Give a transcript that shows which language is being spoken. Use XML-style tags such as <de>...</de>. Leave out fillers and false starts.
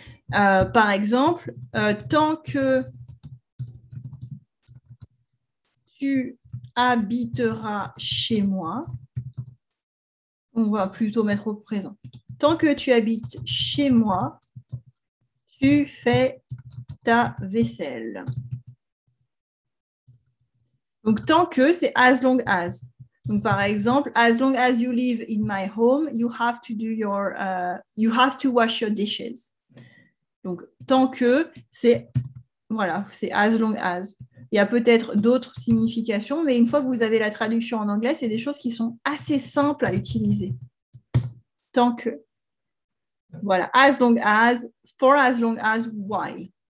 <fr>Par exemple, tant que tu habiteras chez moi, on va plutôt mettre au présent. Tant que tu habites chez moi, tu fais ta vaisselle. Donc, tant que, c'est as long as. Donc, par exemple,</fr> <en>as long as you live in my home, you have to wash your dishes.</en> <fr>Donc, tant que, c'est, voilà, c'est as long as. Il y a peut-être d'autres significations, mais une fois que vous avez la traduction en anglais, c'est des choses qui sont assez simples à utiliser. Tant que, voilà,</fr> <en>as long as, for as long as, while.</en>